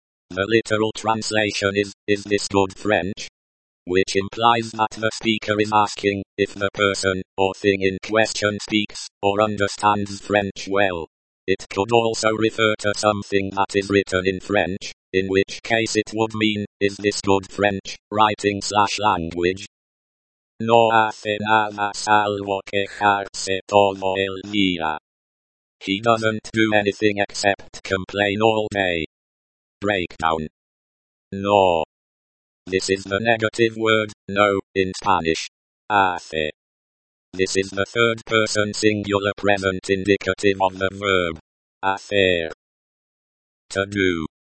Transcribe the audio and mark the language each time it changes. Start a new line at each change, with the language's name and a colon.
English: The literal translation is this good French? Which implies that the speaker is asking if the person or thing in question speaks or understands French well. It could also refer to something that is written in French, in which case it would mean, is this good French writing slash language?
Spanish: No hace nada salvo quejarse todo el día.
English: He doesn't do anything except complain all day. Breakdown. No. This is the negative word, no, in Spanish. Hace. This is the third person singular present indicative of the verb. Hacer. To do.